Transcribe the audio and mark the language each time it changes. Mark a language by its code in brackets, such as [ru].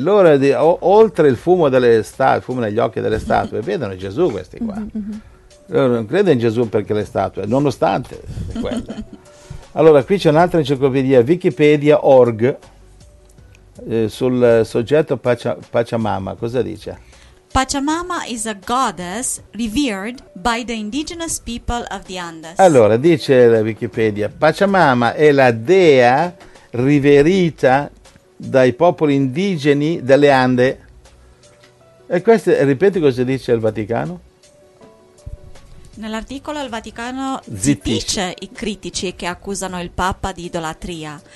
[it] Loro, oltre il fumo delle statue, fumo negli occhi delle statue, vedono Gesù questi qua. Loro non credono in Gesù perché le statue, nonostante quelle. Allora, qui c'è un'altra enciclopedia, Wikipedia.org, sul soggetto Pachamama. Cosa dice? [en] Pachamama is a goddess revered by the indigenous people of the Andes. [it] Allora, dice la Wikipedia, Pachamama è la dea riverita dai popoli indigeni delle Ande. E questo, ripeti cosa dice il Vaticano? Nell'articolo il Vaticano zittisce i critici che accusano il Papa di idolatria.